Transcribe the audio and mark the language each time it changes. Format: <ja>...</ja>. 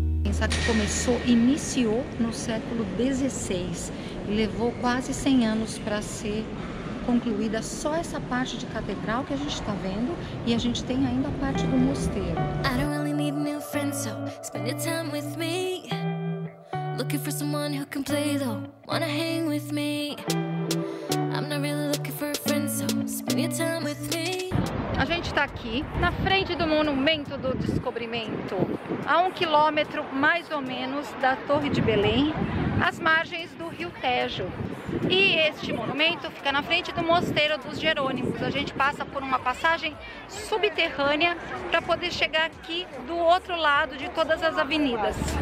<pt>Isso aqui começou, iniciou no século XVI e levou quase 100 anos para ser concluída só essa parte de catedral que a gente está vendo e a gente tem ainda a parte do mosteiro.</pt> <en>I don't really need new friends, so spend your time with me. Looking for someone who can play though, wanna hang with me. I'm not really looking for a friend, so spend your time with me.</en> <pt>A gente está aqui na frente do Monumento do Descobrimento, a 1 quilômetro mais ou menos da Torre de Belém, às margens do Rio Tejo. E este monumento fica na frente do Mosteiro dos Jerônimos. A gente passa por uma passagem subterrânea para poder chegar aqui do outro lado de todas as avenidas.</pt>